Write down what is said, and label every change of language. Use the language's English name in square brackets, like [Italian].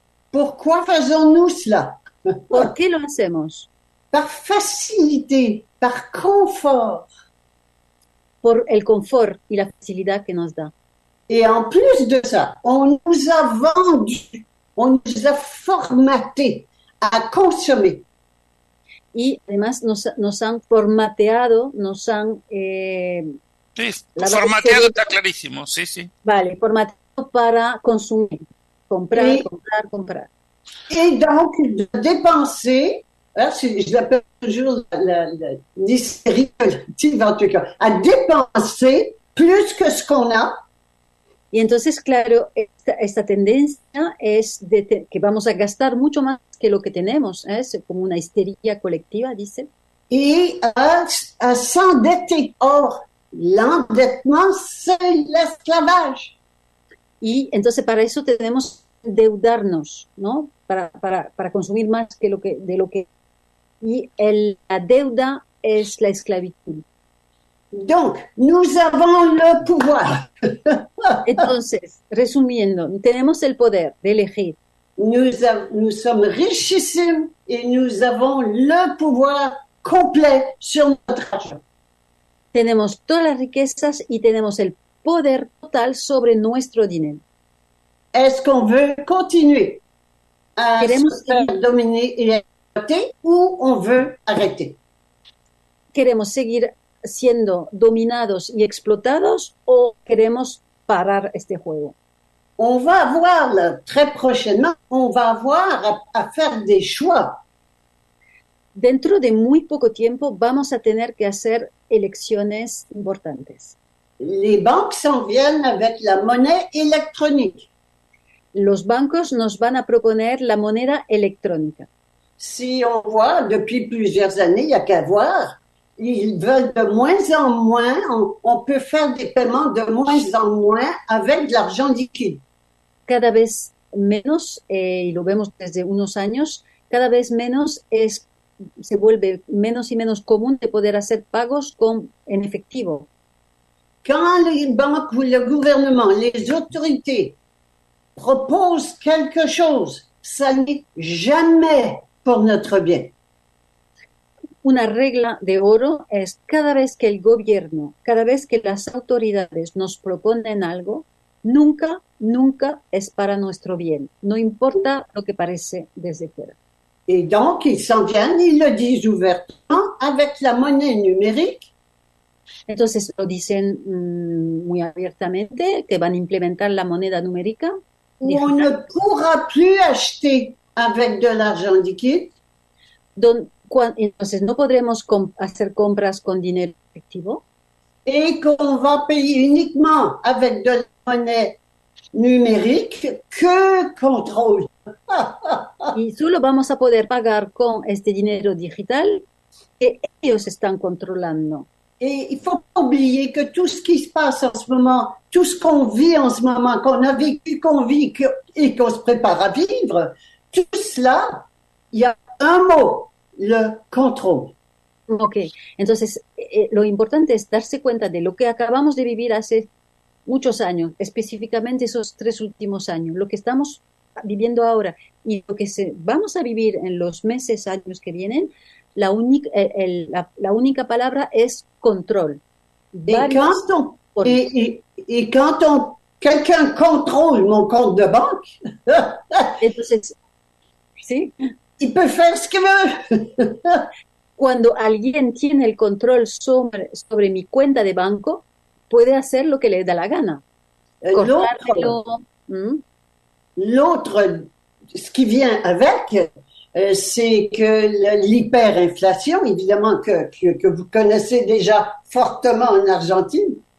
[Spanish] ¿Por qué hacemos [French] cela? [Spanish] ¿Por qué lo hacemos? [French] Par facilité, par confort. [Spanish] Por el confort y la facilidad que nos da. [French] Et en plus de ça, on nous a vendu, on nous a formaté à consommer. [Spanish] Y además nos han formateado, nos han... Sí, formateado está clarísimo, sí, sí. Vale, formateado para consumir, comprar, et, comprar, comprar. [French] Et donc, de dépenser, je l'appelle toujours l'hystérie collective en tout cas, à dépenser plus que ce qu'on a. [Spanish] Y entonces, claro, esta tendencia es de que vamos a gastar mucho más que lo que tenemos, ¿eh? Es como una histeria colectiva, dice. [French] Y a s'endetter. Or, l'endettement, c'est l'esclavage. [Spanish] Y entonces, para eso tenemos que endeudarnos, ¿no? Para consumir más que lo que, de lo que. Y la deuda es la esclavitud. [French] Donc, nous avons le pouvoir. [Spanish] Entonces, resumiendo, tenemos el poder de elegir. [French] Nous sommes richissimes et nous avons le pouvoir complet sur notre argent. [Spanish] Tenemos todas las riquezas y tenemos el poder total sobre nuestro dinero. [French] Est-ce qu'on veut continuer à [Spanish] queremos [French] se faire dominer et exploiter ou on veut arrêter? [Spanish] Queremos seguir siendo dominados y explotados o queremos parar este juego. [French] On va voir très prochainement, on va avoir à faire des choix. [Spanish] Dentro de muy poco tiempo vamos a tener que hacer elecciones importantes. [French] Les banques s'en viennent avec la monnaie électronique. [Spanish] Los bancos nos van a proponer la moneda electrónica. [French] Si on voit depuis plusieurs années, il y a qu'à voir. Ils veulent de moins en moins, on peut faire des paiements de moins en moins avec de l'argent liquide. [Spanish] Cada vez menos, y lo vemos desde unos años, cada vez menos se vuelve menos y menos común de poder hacer pagos en efectivo. [French] Quand les banques ou le gouvernement, les autorités proposent quelque chose, ça n'est jamais pour notre bien. [Spanish] Una regla de oro es cada vez que el gobierno, cada vez que las autoridades nos proponen algo, nunca, nunca es para nuestro bien. No importa lo que parece desde fuera. [French] Y donc, ils s'en viennent, ils le disent ouvertement, avec la monnaie numérique. [Spanish] Entonces, lo dicen muy abiertamente, que van a implementar la moneda numérica. [French] On ne pourra plus acheter avec de l'argent liquide. [Spanish] Entonces, ¿no podremos hacer compras con dinero efectivo? Y que va a pagar únicamente [French] avec de la monnaie numérique, [Spanish] que control. Y solo vamos a poder pagar con este dinero digital que ellos están controlando. [French] Et il faut pas oublier que tout ce qui se passe en ce moment, tout ce qu'on vit en ce moment, qu'on a vécu, qu'on vit et qu'on se prépare à vivre, tout cela, il y a un mot. Le control. [Spanish] Ok, entonces lo importante es darse cuenta de lo que acabamos de vivir hace muchos años, específicamente esos tres últimos años, lo que estamos viviendo ahora y lo que vamos a vivir en los meses, años que vienen, la única palabra es control. [French] Quelqu'un contrôle mon compte de banque. [Spanish] Entonces, sí. [French] Il peut faire ce qu'il veut. [Spanish] Cuando alguien tiene el control sobre mi cuenta de banco, puede hacer lo que le da la gana. Cortármelo. [French] L'autre, ce qui vient avec, c'est que l'hyperinflation, évidemment, que vous connaissez déjà fortement en Argentine.